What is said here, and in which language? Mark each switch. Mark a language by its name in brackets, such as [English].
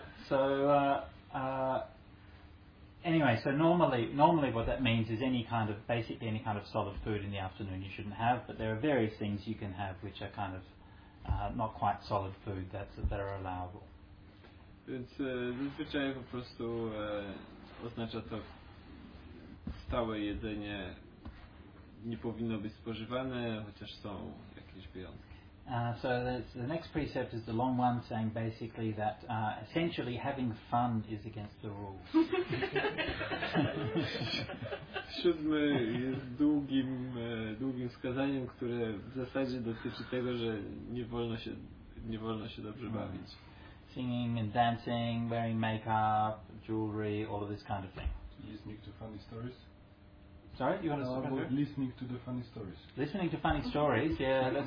[English] So anyway, so normally what that means is any kind of solid food in the afternoon you shouldn't have, but there are various things you can have which are kind of not quite solid food that are allowable. [Polish] Więc zazwyczaj po prostu oznacza to stałe jedzenie. Nie powinno być spożywane, chociaż są jakieś wyjątki. [English] So the next precept is the long one, saying basically that essentially having fun is against the rules. [Polish] Siódmy jest długim wskazaniem, które w zasadzie dotyczy tego, że nie wolno się dobrze bawić. [English] Singing and dancing, wearing makeup, jewelry, all of this kind of thing. Listening to funny stories. Sorry, you want to talk about listening to the funny stories. Listening to funny stories, yeah, that's